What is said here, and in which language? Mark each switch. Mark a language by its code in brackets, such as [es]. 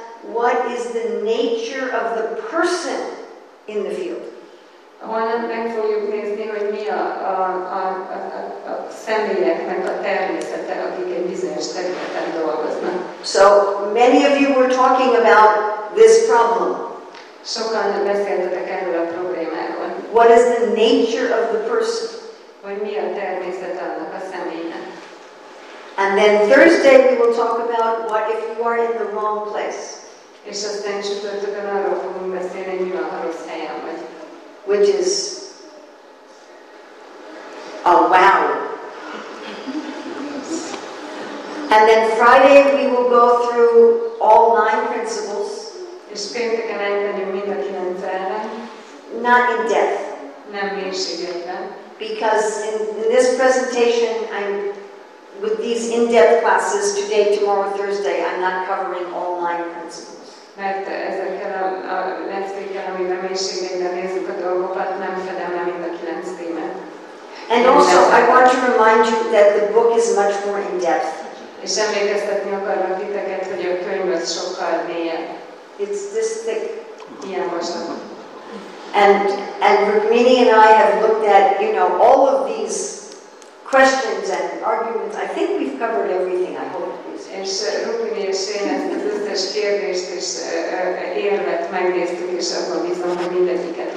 [en] what is the nature of the person in the field. [hu] Olyan meg fogjuk nézni, hogy mi a személyeknek a természete, akik egy bizonyos területen dolgoznak. [en] So many of you were talking about this problem. [hu] Sokan beszéltetek erről a problémáról. [en] What is the nature of the person? [hu] Hogy mi a természet annak a személynek. [en] And then Thursday we will talk about what if you are in the wrong place. [hu] És aztán csütörtökön arról fogunk beszélni, hogy mi van, ha rossz helyen vagy. [en] Which is a wow. And then Friday we will go through all 9 principles. [hu] És pénteken elmegyünk mind a 9 elve. [en] Not in depth. [hu] Nem mélységében. [en] Because in this presentation, I'm with these in-depth classes today, tomorrow, Thursday, I'm not covering all 9 principles. [hu] Mert ezekkel a lecsékkel, ami nem mélységében nézzük a dolgokat, nem fedem el mind a 9 témát. [en] And also, I want to remind you that the book is much more in depth. [hu] És emlékeztetni akarok titeket, hogy a könyv az sokkal mélyebb. [en] It's this thick. [hu] Ilyen vastag. [en] And Rukmini and I have looked at, you know, all of these questions and arguments. I think we've covered everything, I hope. [hu] És Rukmini és én az összes kérdést és érvet megnéztük, és abban bizony, hogy mindegyiket